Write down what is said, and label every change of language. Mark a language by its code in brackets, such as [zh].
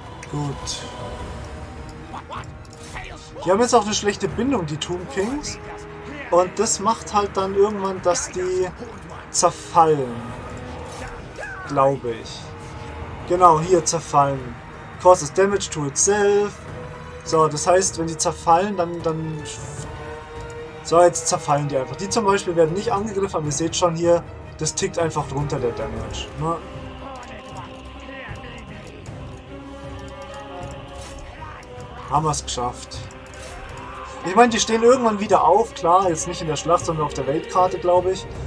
[de] Gut. Die haben jetzt auch eine schlechte Bindung, die Tomb Kings. Und das macht halt dann irgendwann, dass die zerfallen. Glaube ich. Genau, hier zerfallen. [en] Causes damage to itself. [de] So, das heißt, wenn die zerfallen, dann... So, jetzt zerfallen die einfach. Die zum Beispiel werden nicht angegriffen, aber ihr seht schon hier, das tickt einfach runter, der Damage. Ne? Haben wir es geschafft. Ich meine, die stehen irgendwann wieder auf, klar, jetzt nicht in der Schlacht, sondern auf der Weltkarte, glaube ich.